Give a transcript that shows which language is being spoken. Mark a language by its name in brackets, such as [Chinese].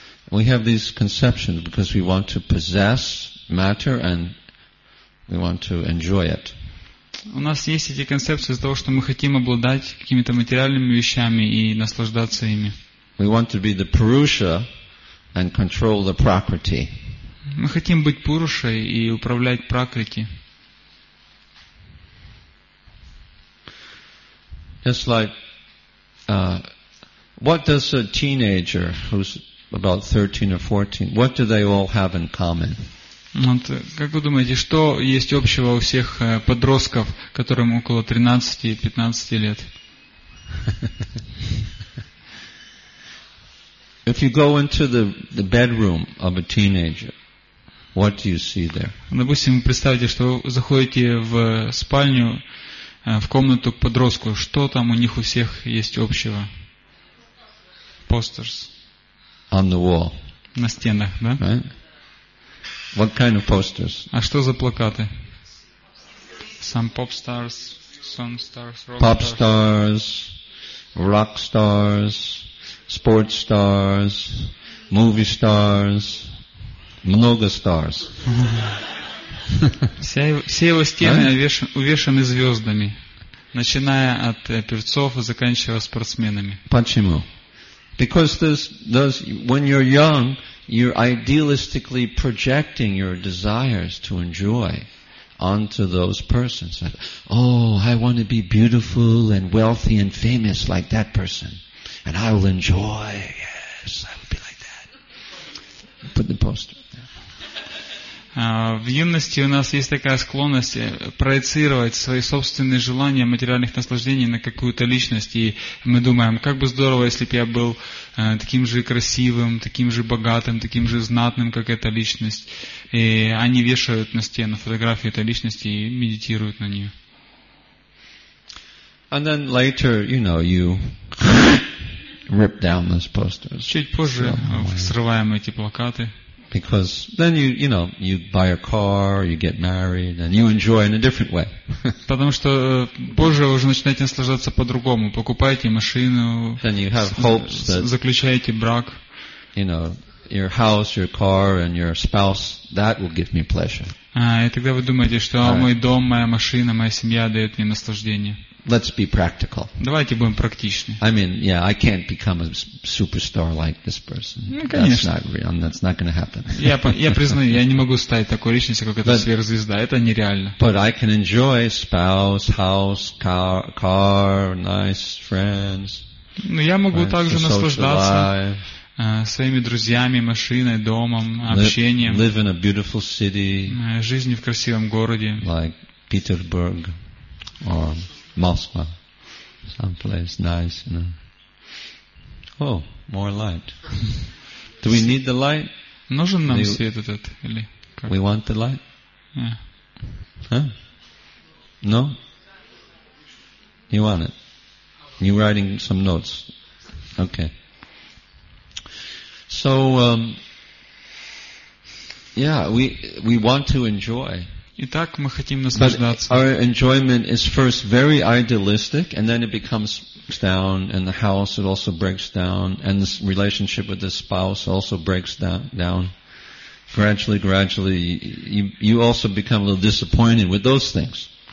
[English] We have these conceptions because we want to possess matter and we want to enjoy it. [Russian] У нас есть эти концепции из-за того, что мы хотим обладать какими-то материальными вещами и наслаждаться ими. [English] We want to be the Purusha and control the Prakriti. [Russian] Мы хотим быть Пурушей и управлять Пракрити. [English] Just like what does a teenager who's about 13 or 14, what do they all have in common? [Russian] Вот, как вы думаете, что есть общего у всех подростков, которым около 13-15 лет? [English] If you go into the bedroom of a teenager, what do you see there? [Russian] Допустим, представьте, что вы заходите в спальню в комнату к подростку. Что там у них у всех есть общего? [English] Posters. On the wall. [Russian] На стенах, да? [English] Right? What kind of posters? [Russian] А что за плакаты? [English] Some pop stars, song stars, rock stars. Pop stars, rock stars, sports stars, movie stars. [Russian] Много stars. Все его стены увешаны звездами, начиная от певцов и заканчивая спортсменами. Почему? [English] Because when you're young, you're idealistically projecting your desires to enjoy onto those persons. Oh, I want to be beautiful and wealthy and famous like that person. And I will enjoy. Yes, I will be like that. Put the poster. [Russian] В юности у нас есть такая склонность проецировать свои собственные желания материальных наслаждений на какую-то личность. И мы думаем, как бы здорово, если бы я был таким же красивым, таким же богатым, таким же знатным, как эта личность. И они вешают на стену фотографии этой личности и медитируют на нее. [English] And then later, you know, you rip down those posters. [Russian] Чуть позже срываем эти плакаты. [English] Because then you buy a car, you get married, and you enjoy in a different way. [Russian] Потому что позже вы уже начинаете наслаждаться по-другому. Покупаете машину, заключаете брак. [English] You know, your house, your car, and your spouse, that will give me pleasure. [Russian] И тогда вы думаете, что мой дом, моя машина, моя семья дает мне наслаждение. [English] Let's be practical. [Russian] Давайте будем практичны. [English] I mean, yeah, I can't become a superstar like this person. [Russian] Конечно. [English] That's not real. That's not going to happen. [Russian] Я признаю, я не могу стать такой личностью, как эта сверхзвезда. Это нереально. [English] But I can enjoy spouse, house, car, nice friends. [Russian] Но я могу также наслаждаться своими друзьями, машиной, домом, общением. [English] Live in a beautiful city. [Russian] Жизнь в красивом городе. [English] Like Petersburg or Moscow, someplace nice, you know. Oh, more light. Do we need the light? [Russian] Нужен нам свет этот или как? [English] We want the light. Yeah. Huh? No. You want it? You writing some notes? Okay. So, we want to enjoy. [Russian] Итак, мы хотим наслаждаться. [English] Our enjoyment is first very idealistic, and then it becomes down, and the house it also breaks down, and this relationship with the spouse also breaks down. Gradually, you also become a little disappointed with those things.